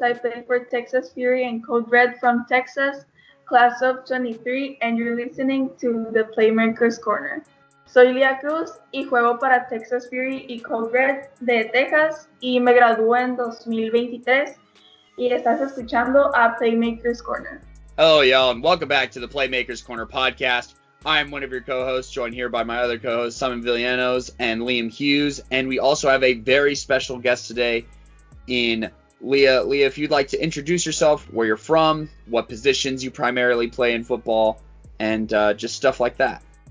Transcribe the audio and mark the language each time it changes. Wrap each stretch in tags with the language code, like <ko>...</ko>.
<en>I play for Texas Fury and Code Red from Texas, class of 23, and you're listening to the Playmakers Corner.</en> <es>Soy Leah Cruz y juego para Texas Fury y Code Red de Texas y me gradué en 2023 y estás escuchando a Playmakers Corner.</es> <en>Hello, y'all, and welcome back to the Playmakers Corner podcast. I'm one of your co-hosts, joined here by my other co-hosts, Simon Villanos and Liam Hughes, and we also have a very special guest today in Leah. Leah, if you'd like to introduce yourself, where you're from, what positions you primarily play in football, and just stuff like that.</en>